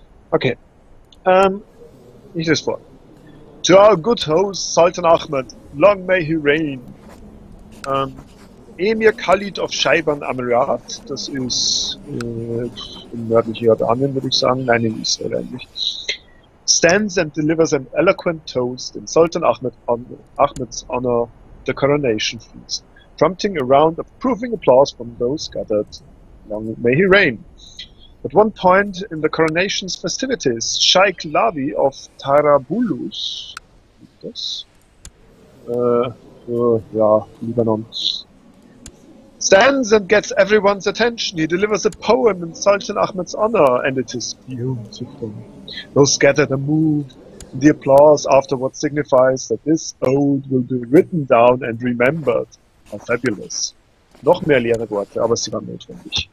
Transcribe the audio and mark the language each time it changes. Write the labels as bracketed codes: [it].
[de] Okay. Ich lese vor. [en] To our good host Sultan Ahmed, long may he reign. [de] Emir Khalid of Shaiban Amirat, das ist im nördlichen Jordanien, würde ich sagen. Nein, in Israel eigentlich. [en] Stands and delivers an eloquent toast in Sultan Ahmed's honor, the coronation feast, prompting a round of approving applause from those gathered. Long may he reign. At one point in the coronation's festivities, Sheikh Lavi of Tarabulus, Lebanon, stands and gets everyone's attention. He delivers a poem in Sultan Ahmed's honor, and it is beautiful. Those gathered are moved. The applause afterwards signifies that this ode will be written down and remembered. How fabulous. [de] Noch mehr leere Worte, aber sie waren notwendig.